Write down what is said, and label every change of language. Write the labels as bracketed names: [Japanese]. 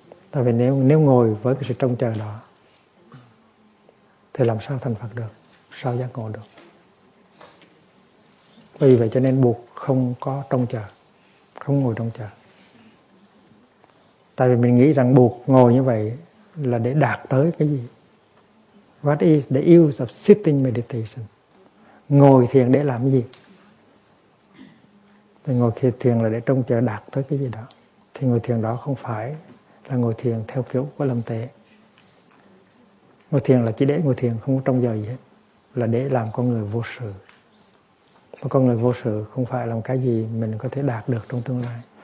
[Vietnamese] Tại vì nếu ngồi với cái sự trông chờ đó thì làm sao thành Phật được, sao giác ngộ được. Vì vậy cho nên buộc không có trông chờ, không ngồi trông chờ. Tại vì mình nghĩ rằng buộc ngồi như vậy là để đạt tới cái gì? [English] What is the use of sitting meditation? [Vietnamese] Ngồi thiền để làm gì? Thì ngồi thiền là để trông chờ đạt tới cái gì đó. Thì ngồi thiền đó không phải là ngồi thiền theo kiểu của Lâm Tế. Ngồi thiền là chỉ để ngồi thiền, không có trông chờ gì hết. Là để làm con người vô sự. Mà con người vô sự không phải làm cái gì mình có thể đạt được trong tương lai.